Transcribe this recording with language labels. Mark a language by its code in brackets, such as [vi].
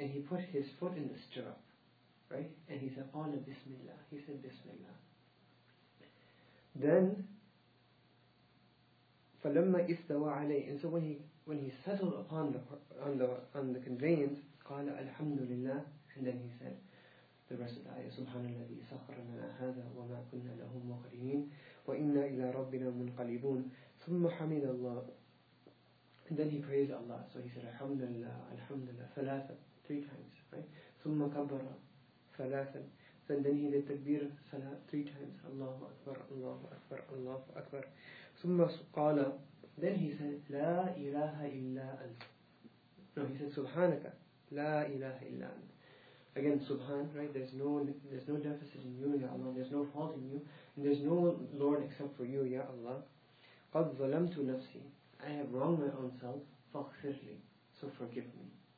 [en] And he put his foot in the stirrup, right? And he said, [ar] قَالَ بِسْمِ اللَّهِ. [en] He said, بِسْمِ اللَّهِ. Then, [ar] فَلَمَّا إِسْتَوَى عَلَيْهِ. [en] And so when he settled upon the conveyance, [ar] قَالَ أَلْحَمْدُ لِلَّهِ. [en] And then he said, the rest of the ayah, [ar] سُبْحَانَ الَّذِي سَخَّرَ لَنَا هَذَا وَمَا كُنَّا لَهُ مُقْرِنِينَ وَإِنَّا إِلَىٰ رَبِّنَا مُنْقَلِبُونَ ثُمَّ حَمِدَ اللَّهُ. [en] And then he praised Allah. So he said, Alhamdulillah, ثلاثًا, three times, right? [ar] ثُمَّ كَبَّرَ ثَلَاثًا. [en] And then he did takbir salah three times. [ar] Allahu Akbar, Allahu Akbar, Allahu Akbar. ثُمَّ قَالَ. [en] Then he said, [ar] لَا إِلَهَ إِلَّا أَنْتَ. [en] No, he said, [ar] سُبْحَانَكَ لَا إِلَهَ إِلَّا أَنْتَ. [en] Again, subhan, right? There's no deficit in you, Ya Allah. There's no fault. not in you, and there's no Lord except for you, Ya Allah. [ar] قَدْ ظَلَمْتُ نَفْسِي [en] I have wronged my own self, [ar] فَغْفِرْ لِي [en] So forgive me.